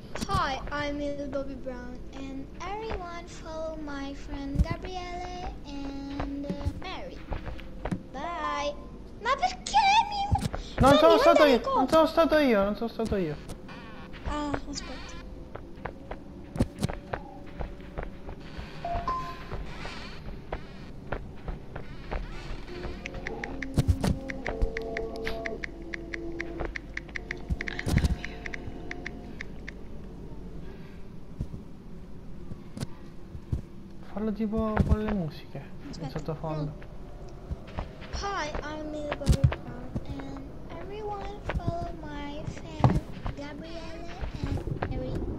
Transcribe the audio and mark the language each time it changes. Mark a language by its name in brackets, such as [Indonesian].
[English] Hi, I'm Millie Bobby Brown and everyone follow my friend Gabriele and Mary. [Italian] Bye. Ma perché mi... Non sono stato io, non sono stato io. Ah, aspetta. Tipo con le musiche in sottofondo. [English] Hi, I'm Millie Bobby Brown and everyone follow my fan Gabriele and Harry.